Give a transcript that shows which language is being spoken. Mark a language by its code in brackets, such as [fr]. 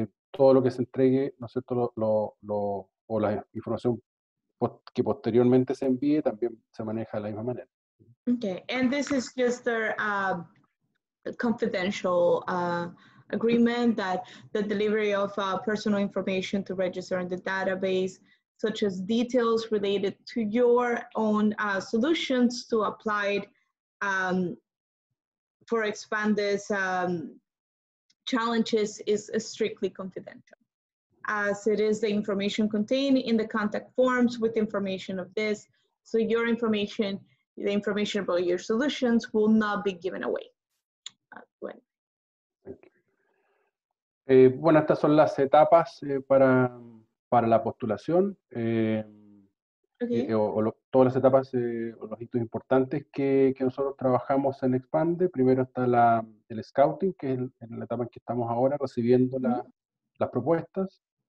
[es] Todo lo que se entregue, ¿no es cierto?, o la información que posteriormente se envíe también se maneja de la misma manera. [en] Okay, and this is just a confidential agreement that the delivery of personal information to register in the database, such as details related to your own solutions to apply for Expandes challenges is strictly confidential, as it is the information contained in the contact forms with information of this. So your information, the information about your solutions will not be given away. [es] Bueno, estas son las etapas para la postulación. [en] Okay. [es] Todas las etapas o los hitos importantes que nosotros trabajamos en Expande. Primero está el scouting, que es la etapa en que estamos ahora recibiendo las propuestas.